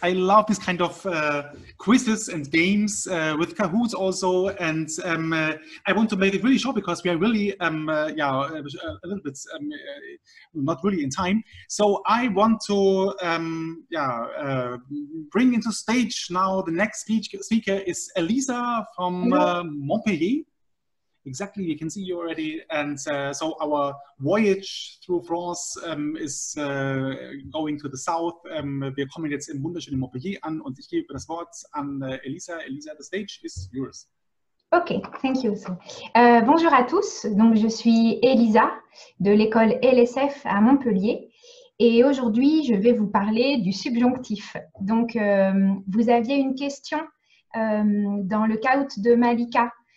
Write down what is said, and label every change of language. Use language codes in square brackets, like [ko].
[en] I love this kind of quizzes and games with Kahoot also, and I want to make it really short because we are really not really in time, so I want to bring into stage now the next speaker is Elisa from Montpellier. Exactly, you can see you already, and so our voyage through France is going to the south. [de] Wir kommen jetzt im wunderschönen Montpellier an, und ich gebe das Wort an Elisa. [en] Elisa, the stage is yours. Okay, thank you. [fr] Bonjour à tous. Donc, je suis Elisa de l'école LSF à Montpellier, et aujourd'hui, je vais vous parler du subjonctif. Donc, vous aviez une question dans le caout de Malika.